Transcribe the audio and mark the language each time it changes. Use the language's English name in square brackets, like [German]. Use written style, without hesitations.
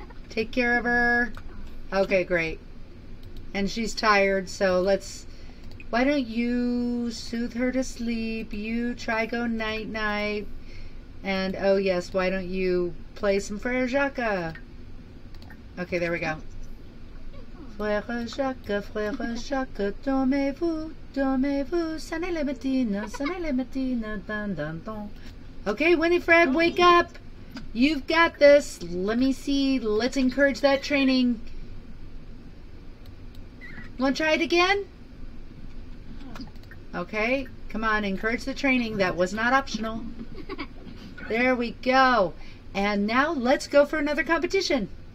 [English] Take care of her. Okay, great. And she's tired, so let's... Why don't you soothe her to sleep? You try go night-night. And, oh yes, why don't you play some Frère Jacques? Okay, there we go. [French] Frère Jacques, Frère Jacques, dormez-vous, sonnez les matines, sonnez les matines, dun dun dun. [English] Okay, Winifred, wake up! You've got this. Let me see. Let's encourage that training. Wanna try it again? Okay, come on, encourage the training. That was not optional. There we go. And now let's go for another competition.